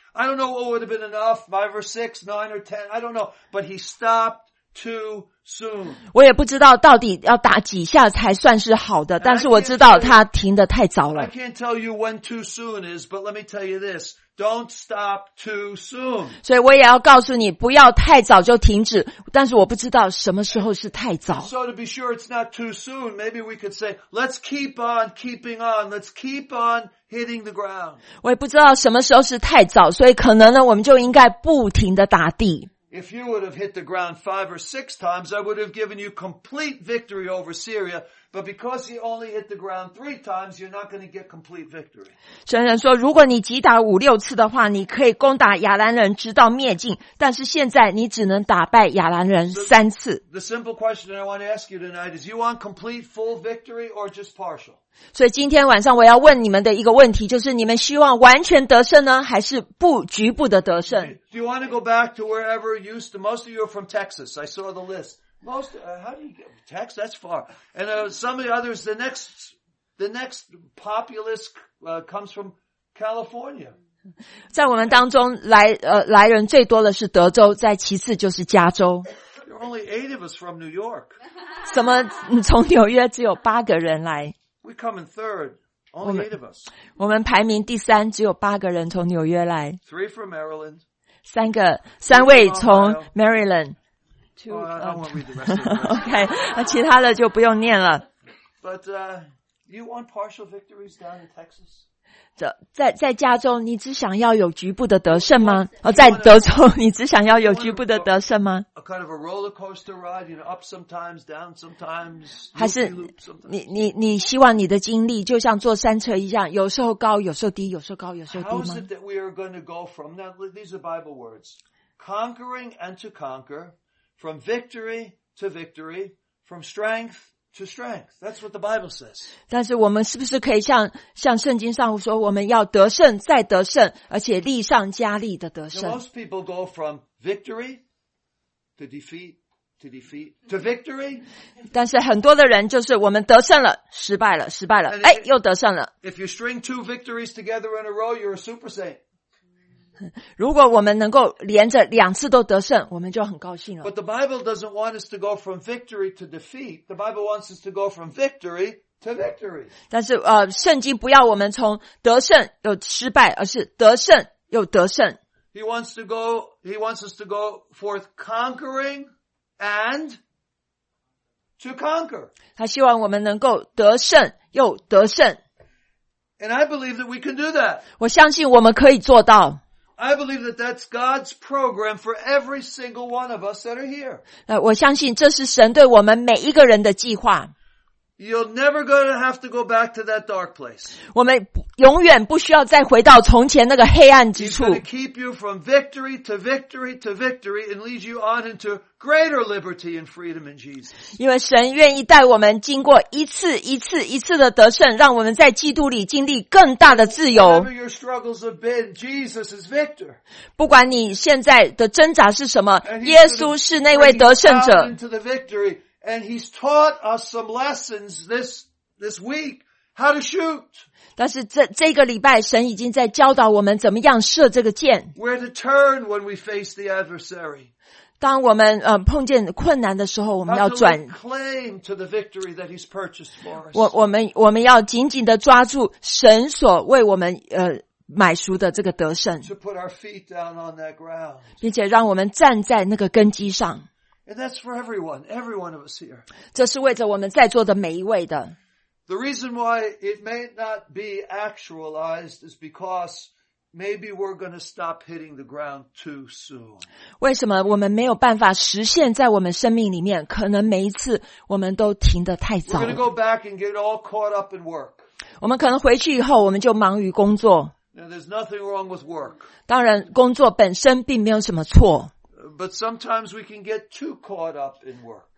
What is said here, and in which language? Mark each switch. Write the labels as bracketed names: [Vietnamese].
[English] I don't know what would have been enough, five or six, nine or ten, I don't know, but he stopped too soon. [Chinese] 我也不知道到底要打几下才算是好的，但是我知道他停得太早了。 [English] I can't tell you when too soon is, but let me tell you this. Don't stop too soon. [Chinese] 所以我也要告诉你，不要太早就停止。但是我不知道什么时候是太早。 [English] So to be sure it's not too soon, maybe we could say, let's keep on keeping on, let's keep on hitting the ground. [Chinese] 我也不知道什么时候是太早，所以可能呢，我们就应该不停的打地。 [English] If you would have hit the ground five or six times, I would have given you complete victory over Syria. But because you only hit the ground three times, you're not going to get complete victory. [Chinese] 神人说，如果你击打五六次的话，你可以攻打亚兰人直到灭尽。但是现在你只能打败亚兰人三次。 [English] The simple question I want to ask you tonight is: You want complete full victory or just partial? [Chinese] 所以今天晚上我要问你们的一个问题，就是你们希望完全得胜呢，还是不局部的得胜？ [English] Do you want to go back to wherever you used to? Most of you are from Texas. I saw the list. Most, how do you get, text? That's far. And, some of the others, the next populace, comes from California. [Chinese] 在我们当中来人最多的是德州，再其次就是加州。 [English] There are only eight of us from New York. [Chinese] 什么，从纽约只有八个人来。 [English] We come in third, only eight of us. [Chinese] 我们排名第三，只有八个人从纽约来。 [English] Three from Maryland. [Chinese] 三位从 Maryland. [English] Okay, [Chinese] 其他的就不用念了。 [English] But, you want partial victories down in Texas? [Chinese] 在加州你只想要有局部的得胜吗？在德州你只想要有局部的得胜吗？ [English] A kind of a roller coaster ride, you know, up sometimes, down sometimes. [Chinese] 还是你希望你的经历就像坐山车一样，有时候高有时候低，有时候高有时候低吗？ [English] How is it that we are going to go from, now these are Bible words, conquering and to conquer,From victory to victory, from strength to strength. That's what the Bible says. [Chinese] 但是我们是不是可以像圣经上说，我们要得胜再得胜，而且力上加力的得胜。 [English] Most people go from victory to defeat to defeat to victory. [Chinese] 但是很多的人就是我们得胜了，失败了，失败了，哎，又得胜了。 [English] If you string two victories together in a row, you're a super saint. [Chinese] 如果我们能够连着两次都得胜，我们就很高兴了。 [English] But the Bible doesn't want us to go from victory to defeat. The Bible wants us to go from victory to victory. [Chinese] 但是圣经不要我们从得胜又失败，而是得胜又得胜。 [English] He wants us to go forth conquering and to conquer. [Chinese] 他希望我们能够得胜又得胜。 [English] And I believe that we can do that. [Chinese] 我相信我们可以做到。 [English] I believe that that's God's program for every single one of us that are here. [Chinese] 我相信这是神对我们每一个人的计划。 [English] You're never going to have to go back to that dark place. [Chinese] 我们永远不需要再回到从前那个黑暗之处。 [English] He's going to keep you from victory to victory to victory and lead you on into greater liberty and freedom in Jesus. [Chinese] 因为神愿意带我们经过一次一次一次的得胜，让我们在基督里经历更大的自由。 [English] Whatever your struggles have been, Jesus is victor. [Chinese] 不管你现在的挣扎是什么，耶稣是那位得胜者。 [English] And he's taught us some lessons this week, how to shoot. [Chinese] 但是这个礼拜神已经在教导我们怎么样射这个箭。 [English] Where to turn when we face the adversary. [Chinese] 当我们碰见困难的时候，我们要转。 [English] How do we claim to the victory that he's purchased for us? [Chinese] 我们要紧紧的抓住神所为我们买赎的这个得胜。 [English] To put our feet down on that ground. [Chinese] 并且让我们站在那个根基上。 [English] And that's for everyone, every one of us here. [Chinese] 这是为着我们在座的每一位的。 [English] The reason why it may not be actualized is because maybe we're going to stop hitting the ground too soon. [Chinese] 为什么我们没有办法实现在我们生命里面？可能每一次我们都停得太早。 [English] We're going to go back and get all caught up in work. [Chinese] 我们可能回去以后，我们就忙于工作。 [English] Now, there's nothing wrong with work. [Chinese] 当然，工作本身并没有什么错。 [English] But sometimes we can get too caught up in work.